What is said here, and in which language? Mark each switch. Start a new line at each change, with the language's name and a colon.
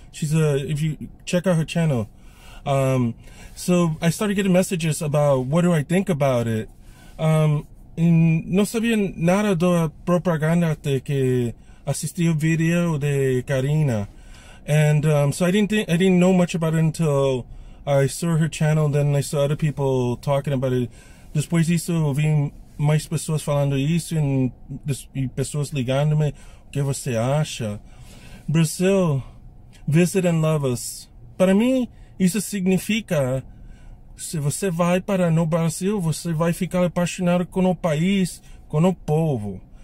English: She's a, if you check out her channel. So I started getting messages about what do I think about it.
Portuguese: Não sabia nada da propaganda até que assisti o vídeo de Karina.
English: And so I didn't know much about it until I saw her channel, then I saw other people talking about it.
Portuguese: Depois disso, eu vi mais pessoas falando isso e pessoas ligando-me. O que você acha?
English: Brazil, visit and love us.
Portuguese: Para mim, isso significa, se você vai para no Brasil, você vai ficar apaixonado com o país, com o povo.